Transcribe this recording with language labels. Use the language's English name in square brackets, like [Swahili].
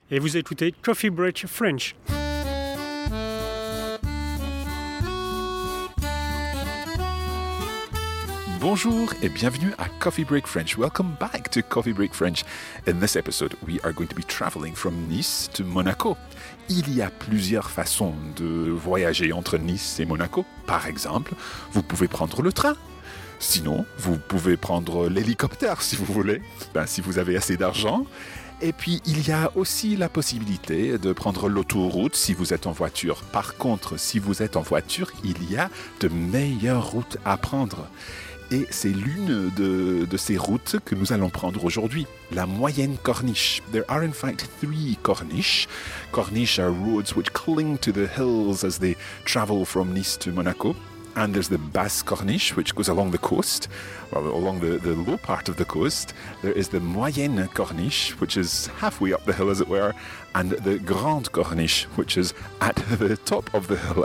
[French] et vous écoutez Coffee Break French. Bonjour et bienvenue à Coffee Break French. [English] Welcome back to Coffee Break French. In this episode, we are going to be traveling from Nice to Monaco. [French] Il y a plusieurs façons de voyager entre Nice et Monaco. Par exemple, vous pouvez prendre le train. Sinon, vous pouvez prendre l'hélicoptère si vous voulez, si vous avez assez d'argent. Et puis, il y a aussi la possibilité de prendre l'autoroute si vous êtes en voiture. Par contre, si vous êtes en voiture, il y a de meilleures routes à prendre. Et c'est l'une de ces routes que nous allons prendre aujourd'hui, la moyenne corniche. [English] There are in fact three corniches. Corniches are roads which cling to the hills as they travel from Nice to Monaco. And there's the basse corniche, which goes along the coast, well, along the low part of the coast. There is the moyenne corniche, which is halfway up the hill, as it were, and the grande corniche, which is at the top of the hill.